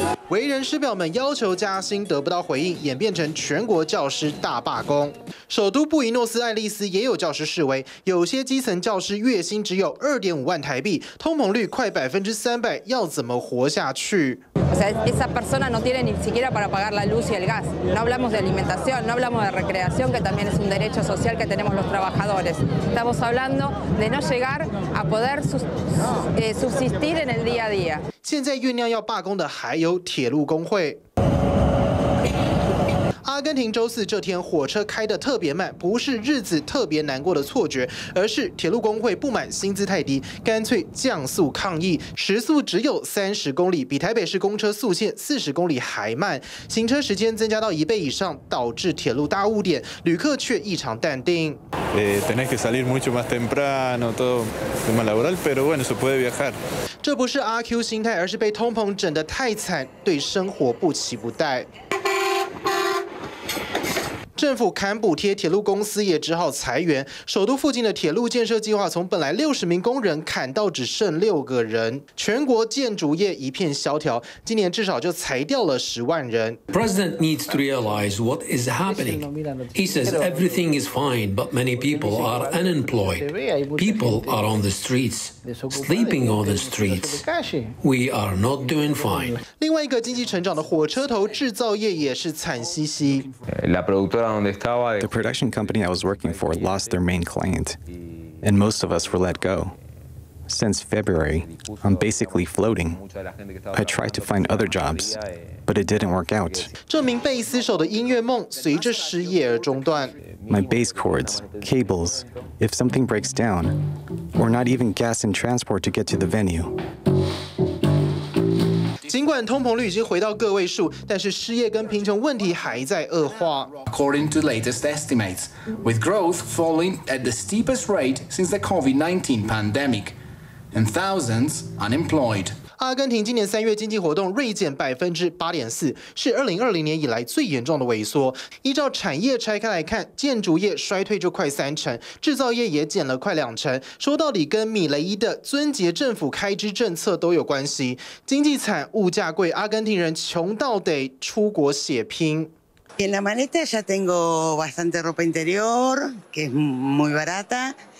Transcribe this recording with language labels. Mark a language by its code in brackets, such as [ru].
[zh] 为人师表们要求加薪得不到回应，演变成全国教师大罢工。首都布宜诺斯艾利斯也有教师示威，有些基层教师月薪只有2.5万台币，通膨率快300%，要怎么活下去？ [es] O sea, esa persona no tiene ni siquiera para pagar la luz y el gas. No hablamos de alimentación, no hablamos de recreación, que también es un derecho social que tenemos los trabajadores. Estamos hablando de no llegar a poder subsistir en el día a día. [zh] 现在酝酿要罢工的还有铁路工会。阿根廷周四这天火车开得特别慢，不是日子特别难过的错觉，而是铁路工会不满薪资太低，干脆降速抗议，时速只有30公里，比台北市公车速限40公里还慢，行车时间增加到一倍以上，导致铁路大误点，旅客却异常淡定。 [es] Tenés que salir mucho más temprano, todo tema laboral, pero bueno, se puede viajar. [zh] 这不是阿 Q 心态，而是被通膨整得太惨，对生活不期不待。政府砍补贴，铁路公司也只好裁员。首都附近的铁路建设计划从本来60名工人砍到只剩6个人。全国建筑业一片萧条，今年至少就裁掉了10万人。 [en] President needs to realize what is happening. He says everything is fine, but many people are unemployed. People are on the streets, sleeping on the streets. We are not doing fine. [zh] 另外一个经济成长的火车头制造业也是惨兮兮。 [en] The production company I was working for lost their main client, and most of us were let go. Since February, I'm basically floating. I tried to find other jobs, but it didn't work out. [zh] 这名贝斯手的音乐梦随着失业而中断。 [en] My bass cords, cables, if something breaks down, or not even gas and transport to get to the venue. [zh] 尽管通膨率已经回到个位数，但是失业跟贫穷问题还在恶化。 [en] According to latest estimates, with growth falling at the steepest rate since the COVID-19 pandemic, and thousands unemployed. [zh] 阿根廷今年三月经济活动锐减8.4%，是2020年以来最严重的萎缩。依照产业拆开来看，建筑业衰退就快30%，制造业也减了快20%。说到底，跟米雷伊的尊杰政府开支政策都有关系。经济惨，物价贵，阿根廷人穷到得出国血拼。 [es] En la maleta ya tengo bastante ropa interior, que es muy barata.